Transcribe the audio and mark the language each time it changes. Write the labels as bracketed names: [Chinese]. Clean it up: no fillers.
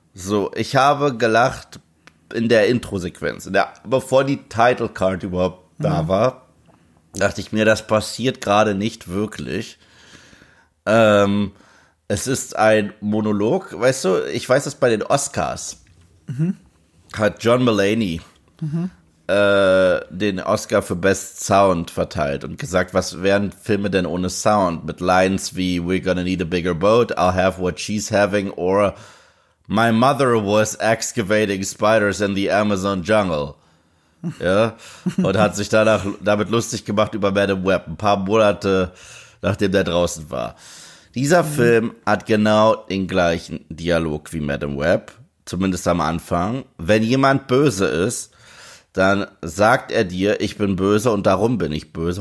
[German] So, ich habe gelacht in der Intro-Sequenz, bevor die Title Card überhaupt da war, dachte ich mir, das passiert gerade nicht wirklich. Es ist ein Monolog, weißt du, ich weiß das bei den Oscars. Hat John Mulaney den Oscar für Best Sound verteilt und gesagt, was wären Filme denn ohne Sound? Mit Lines wie, [English] we're gonna need a bigger boat, I'll have what she's having, or my mother was excavating spiders in the Amazon jungle. [German] Ja, und hat sich danach damit lustig gemacht über Madam Web, ein paar Monate, nachdem der draußen war. Dieser Film hat genau den gleichen Dialog wie Madam Web. Zumindest am Anfang. Wenn jemand böse ist, dann sagt er dir, ich bin böse und darum bin ich böse.